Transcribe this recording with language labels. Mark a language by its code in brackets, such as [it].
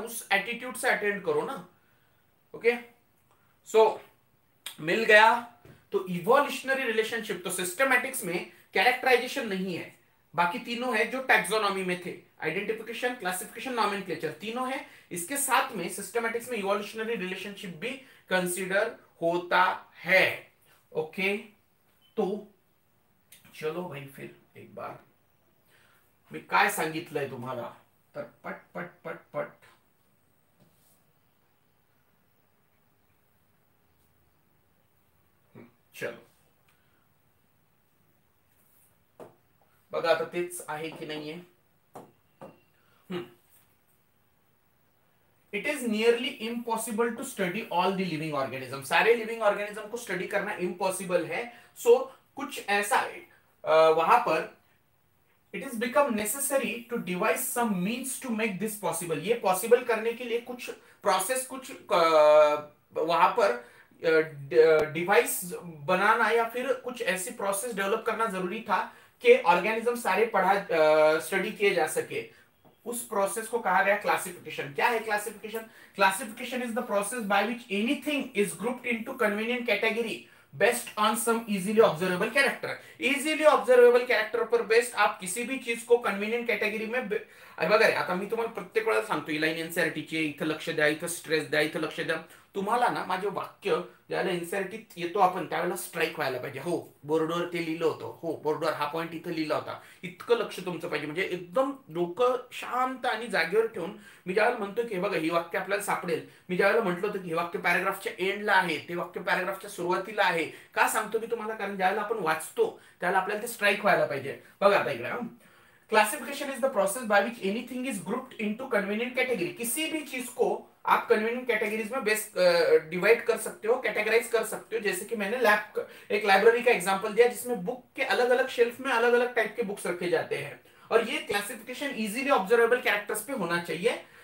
[hi] उस एटीट्यूड से अटेंड करो ना. ओके, सो मिल गया. तो इवोल्यूशनरी रिलेशनशिप तो सिस्टमैटिक्स में कैरेक्टराइजेशन नहीं है, बाकी तीनों है जो टैक्सोनॉमी में थे, आइडेंटिफिकेशन, क्लासिफिकेशन, नॉमेनक्लेचर तीनों है। इसके साथ में सिस्टमैटिक्स में इवोल्यूशनरी रिलेशनशिप भी कंसिडर होता है। [mr] ओके तो चलो भाई [hi] फिर एक बार मैं [mr] काय सांगितलं है तुम्हारा तर पट पट पट पट चलो बघा आता तेच आहे की नाही आहे। [en] it is nearly impossible to study all the living organism, [hi] सारे लिविंग ऑर्गेनिज्म को स्टडी करना इम्पॉसिबल है। सो कुछ ऐसा है वहां पर, [en] it is become necessary to devise some means to make this possible, [hi] ये पॉसिबल करने के लिए कुछ प्रोसेस, कुछ वहां पर डिवाइस बनाना या फिर कुछ ऐसी प्रोसेस डेवलप करना जरूरी था कि ऑर्गेनिज्म सारे पढ़ा स्टडी किए जा सके। उस प्रोसेस को कहा गया क्लासिफिकेशन। क्या है classification? [en] Classification is the process by which anything is grouped into convenient category based on some easily observable character. [hi] Easily observable character पर बेस्ड आप किसी भी चीज को कन्वीनियंट कैटेगरी में बघा। [mr] आता मी तुम्हाला प्रत्येक वेळा सांगतो ही लाईन एनसीईआरटी ची, इथं लक्ष द्या, इथं स्ट्रेस द्या, इथं लक्ष द्या। तुम्हाला ना माझे वाक्य ज्याला एनसीईआरटी येतो आपण त्यावेळेला स्ट्राइक व्हायला पाहिजे, हो बोर्डवर ते लिहिलं होतं, हो बोर्डवर हा पॉइंट इथं लिहिला होता, इतकं लक्ष तुमचं पाहिजे। म्हणजे एकदम डोकं शांत आणि जागेवर ठेवून मी ज्यावेळेला म्हणतो की बघा हे वाक्य आपल्याला सापडेल, मी ज्यावेळेला म्हटलं होतं की हे वाक्य पॅराग्राफच्या एंडला आहे, ते वाक्य पॅराग्राफच्या सुरुवातीला आहे, का सांगतो मी तुम्हाला? कारण ज्यावेळेला आपण वाचतो त्याला आपल्याला ते स्ट्राइक व्हायला पाहिजे। [en] बघा आता इकडे, classification is the process by which anything is grouped into convenient category, [hi] किसी भी चीज को आप कन्वीनियंट कैटेगरीज में बेस्ट डिवाइड कर सकते हो, कैटेगराइज कर सकते हो। जैसे कि मैंने एक लाइब्रेरी का एग्जांपल दिया जिसमें बुक के अलग अलग शेल्फ में अलग अलग टाइप के बुक्स रखे जाते हैं, और ये क्लासिफिकेशन इजीली ऑब्जर्वेबल कैरेक्टर्स पे होना चाहिए।